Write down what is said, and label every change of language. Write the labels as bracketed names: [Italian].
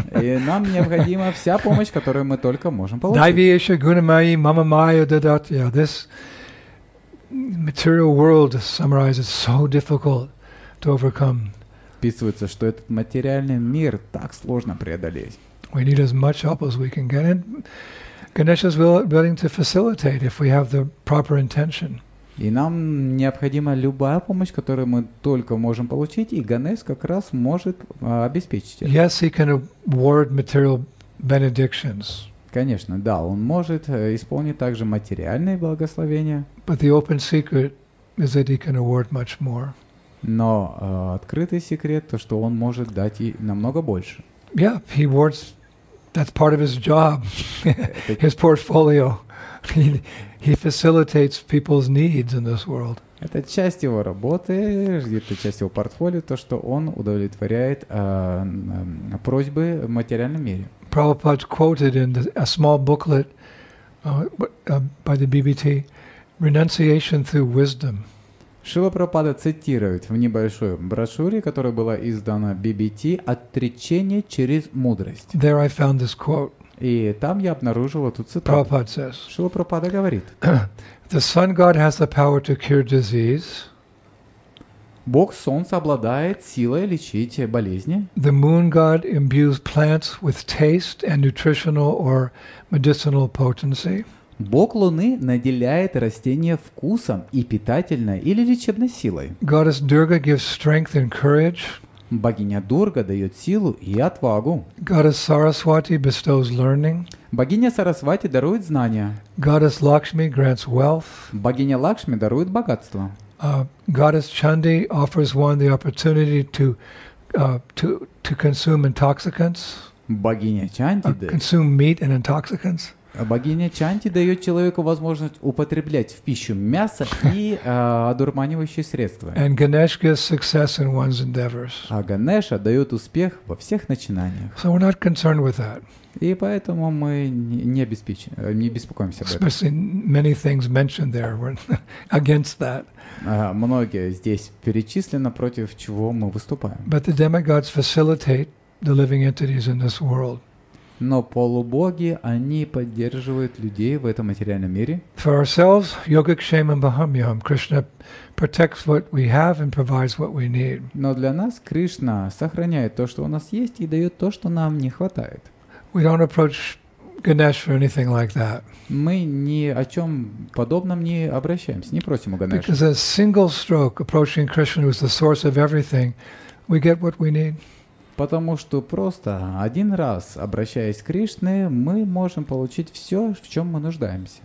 [Russian] И нам необходима вся помощь, которую мы только можем получить. [Sanskrit] Дайвиеша гунамайи мама майя дадат. [English] Yeah, this material world, to summarize, is so difficult to overcome. [Russian] Писывается, что этот материальный мир так сложно преодолеть. [English] We need as much help as we can get. And Ganesh is willing to facilitate if we have the proper intention. [Russian] И нам необходима любая помощь, которую мы только можем получить, и Ганеш как раз может обеспечить это. [English] Yes, he can award material benedictions. [Russian] Конечно, да, он может исполнить также материальные благословения. [English] But the open secret is that he can award much more. [Russian] Но открытый секрет то, что он может дать и намного больше. [English] Yeah, he awards. That's part of his job, his portfolio. He facilitates people's needs in this world. [Russian] Это часть его работы, это часть его портфолио, то, что он удовлетворяет просьбы в материальном мире. [English] Prabhupada quoted in a small booklet by the BBT, Renunciation Through Wisdom. [Russian] Шрила Прабхупада цитирует в небольшой брошюре, которая была издана BBT, «Отречение через мудрость». [English] There I found this quote. [Russian] И там я обнаружил эту цитату. [English] Prabhupada says, [Russian] Шрила Прабхупада говорит, [English] the sun god has the power to cure disease. [Russian] Бог Солнца обладает силой лечить болезни. [English] The moon god imbues plants with taste and nutritional or medicinal potency. [Russian] Бог Луны наделяет растения вкусом и питательной или лечебной силой. [English] Goddess Durga gives strength and courage. [Russian] Богиня Дурга дает силу и отвагу. [English] Goddess Saraswati bestows learning. [Russian] Богиня Сарасвати дарует знания. [English] Goddess Lakshmi grants wealth. [Russian] Богиня Лакшми дарует богатство. [English] Goddess Chandi offers one the opportunity to consume intoxicants. [Russian] Богиня Чанди [English] consume meat and intoxicants. [Russian] Богиня Чанти дает человеку возможность употреблять в пищу мясо и одурманивающие средства. [English] And Ganesh gives success in one's endeavors. [Russian] А Ганеша дает успех во всех начинаниях. [English] So we're not concerned with that. [Russian] И поэтому мы не беспокоимся об этом. [English] Especially many things mentioned there, we're against that. [Russian] Многие здесь перечислено, против чего мы выступаем. [English] But the demigods facilitate the living entities in this world. [Russian] Но полубоги, они поддерживают людей в этом материальном мире. [English] For ourselves, [Sanskrit] yogikshemam bahamyam. [English] Krishna protects what we have and provides what we need. [Russian] Но для нас Кришна сохраняет то, что у нас есть, и дает то, что нам не хватает. [English] We don't approach Ganesh for anything like that. [Russian] Мы ни о чем подобном не обращаемся, не просим у Ганеша. [English] Because a single stroke approaching Krishna, who is the source of everything, we get what we need. [Russian] Потому что просто один раз, обращаясь к Кришне, мы можем получить все, в чем мы нуждаемся.